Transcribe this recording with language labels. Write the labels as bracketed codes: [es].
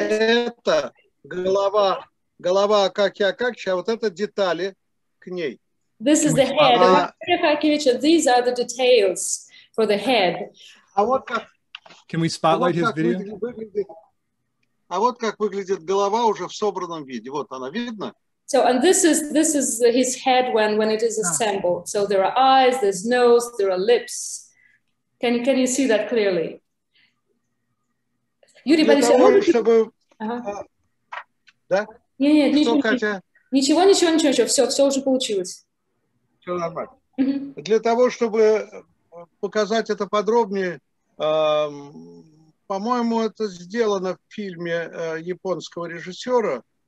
[ru] Это голова Акакия Акакича, а вот это детали к ней. [en] This is the head of Акакия Акакича. These are the details for the head. [ru] А вот как. [en] Can we spotlight his video? [ru] А вот как выглядит голова уже в собранном виде. Вот она, видно? [en] So, and this is his head when it is assembled. So there are eyes, there's nose, there are lips. Can you see that clearly? [ru] Юрий Борисович, а можете... Да? Нет, ничего. Все уже получилось. Все нормально. Для того, чтобы показать это подробнее, по-моему, это сделано в фильме японского режиссера.